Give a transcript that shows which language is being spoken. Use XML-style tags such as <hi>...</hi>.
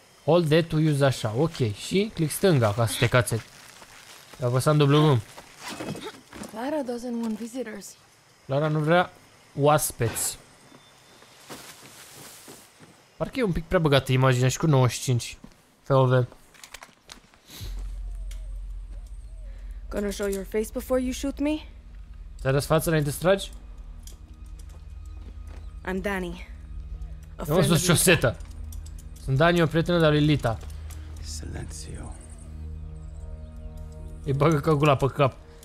<en>Hold it to use</en> <ro>așa, ok. Și click stânga ca să te cațeți. Apăsam W.</ro> <en>Clara doesn't want visitors.</en> <ro>Clara nu vrea oaspeți. Parcă e un pic prea băgată imaginea și cu 95.</ro> <en>FOV. Gonna show your face before you shoot me?</en> <ro>Ți-a dat față înainte să tragi?</ro> <en>I'm Danny.</en> <ro>Eu am spus șosetă. Sunt Danny, o prietenă de-a lui Lita.</ro> <it>Silenzio.</it> <ro>Îi bagă căgula pe cap.</ro>